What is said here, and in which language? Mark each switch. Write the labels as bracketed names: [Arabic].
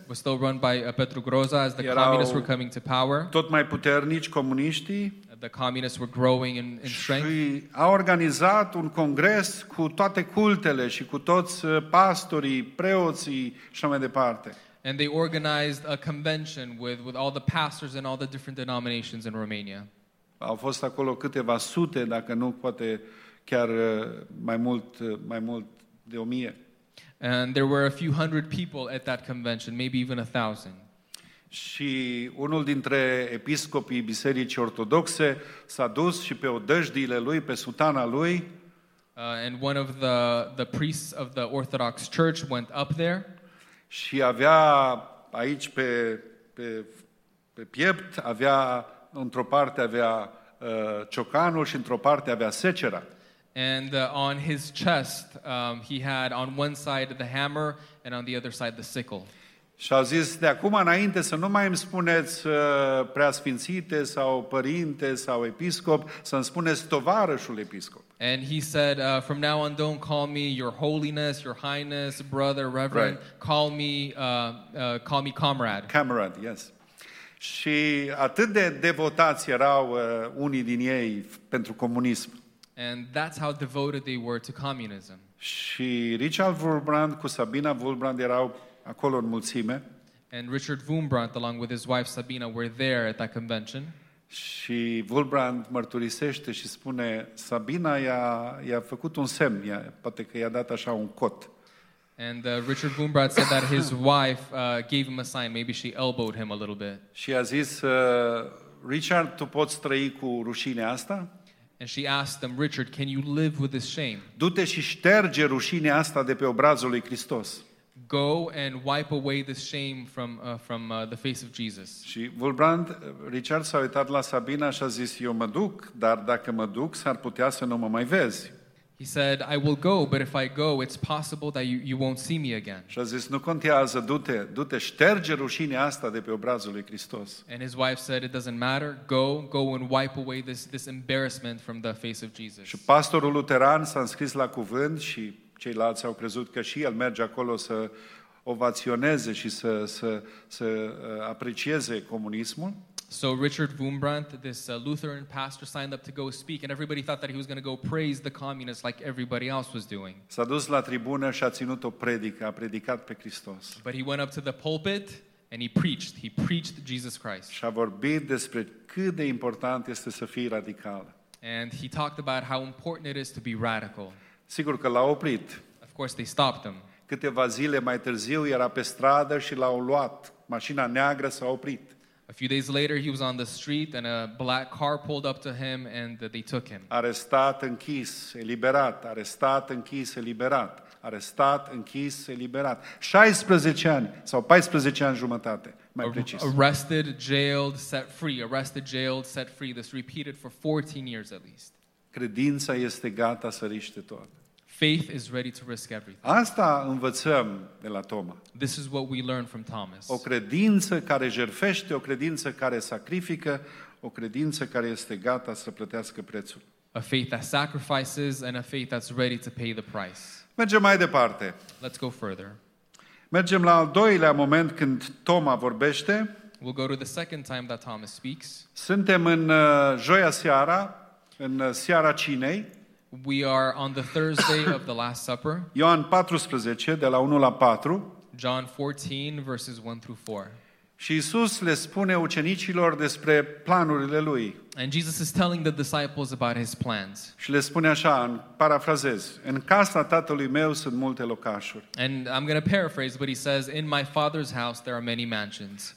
[English] Was still run by Petru Groza as the communists were coming to power. [Romanian] Tot mai puternici comuniștii. [English] The communists were growing in strength. [Romanian] Și a organizat un congres cu toate cultele și cu toți pastorii, preoții și așa mai departe. [English] And they organized a convention with all the pastors and all the different denominations in Romania. [Romanian] Au fost acolo câteva sute, dacă nu poate chiar mai mult de 1000. [English] And there were a few hundred people at that convention, maybe even 1000. [Romanian] Și unul dintre episcopii Bisericii Ortodoxe s-a dus și pe odăjdiile lui, pe sutana lui. [English] And one of the priests of the Orthodox Church went up there. [Romanian] Și avea aici pe piept, avea într-o parte avea ciocanul și într-o parte avea secera. [English] And on his chest he had on one side the hammer and on the other side the sickle. [Romanian] Și a zis, de acum înainte să nu mai îmi spuneți preasfințite sau părinte sau episcop, să-mi spuneți tovarășul episcop. [English] And he said, from now on don't call me your holiness, your highness, brother, reverend, right. call me comrade. Comrade, yes. [Romanian] Și atât de devotați erau unii din ei pentru comunism. [English] And that's how devoted they were to communism. [Romanian] Și Richard Wurmbrand cu Sabina Wurmbrand erau acolo în mulțime. [English] And Richard Wurmbrand along with his wife Sabina were there at that convention. [Romanian] Și Wurmbrand mărturisește și spune Sabina i-a făcut un semn, poate că i-a dat așa un cot. [English] And Richard Wurmbrand said that his wife gave him a sign, maybe she elbowed him a little bit. [Romanian] Și a zis Richard, tu poți trăi cu rușinea asta? [English] And she asked him, Richard, can you live with this shame? [Romanian] Du-te și șterge rușinea asta de pe obrazul lui Hristos. [English] Go and wipe away this shame from the face of Jesus. [Romanian] Și Wurmbrand, Richard s-a uitat la Sabina și a zis, eu mă duc, dar dacă mă duc, s-ar putea să nu mă mai vezi. [English] He said, I will go, but if I go, it's possible that you won't see me again. [Romanian] Și a zis, nu contează, du-te, șterge rușinea asta de pe obrazul lui Hristos. [English] And his wife said, it doesn't matter, go and wipe away this embarrassment from the face of Jesus. [Romanian] Și pastorul luteran s-a înscris la cuvânt și ceilalți au crezut că și el merge acolo să ovaționeze și să aprecieze comunismul. [English] So Richard Wurmbrand, this Lutheran pastor, signed up to go speak, and everybody thought that he was going to go praise the communists like everybody else was doing. [Romanian] S-a dus la tribună și a ținut o predică, a predicat pe Hristos. [English] But he went up to the pulpit and he preached Jesus Christ. [Romanian] Și a vorbit despre cât de important este să fii radical. [English] And he talked about how important it is to be radical. [Romanian] Sigur că l-a oprit. [English] Of course they stopped him. [Romanian] Câteva zile mai târziu era pe stradă și l-au luat. Mașina neagră s-a oprit. [English] A few days later he was on the street and a black car pulled up to him and they took him. [Romanian] Arestat, închis, eliberat, arestat, închis, eliberat, arestat, închis, eliberat. 16 ani sau 14 ani jumătate, mai precis. [English] Arrested, jailed, set free. Arrested, jailed, set free. This repeated for 14 years at least. [Romanian] Credința este gata să riște tot. [English] Faith is ready to risk everything. [Romanian] Asta învățăm de la Toma. [English] This is what we learn from Thomas. [Romanian] O credință care jertfește, o credință care sacrifică, o credință care este gata să plătească prețul. [English] A faith that sacrifices and a faith that's ready to pay the price. [Romanian] Mergem mai departe. [English] Let's go further. [Romanian] Mergem la al doilea moment când Toma vorbește. [English] We'll go to the second time that Thomas speaks. [Romanian] Suntem în joia seara, în seara cinei. [English] We are on the Thursday of the Last Supper. [Romanian] Ioan 14, de la 1 la 4. [English] John 14, verses 1 through 4. [Romanian] Și Iisus le spune ucenicilor despre planurile lui. [English] And Jesus is telling the disciples about his plans. [Romanian] Și le spune așa, parafrazez, în casa tatălui meu sunt multe locașuri. [English] And I'm going to paraphrase, but he says, in my father's house there are many mansions.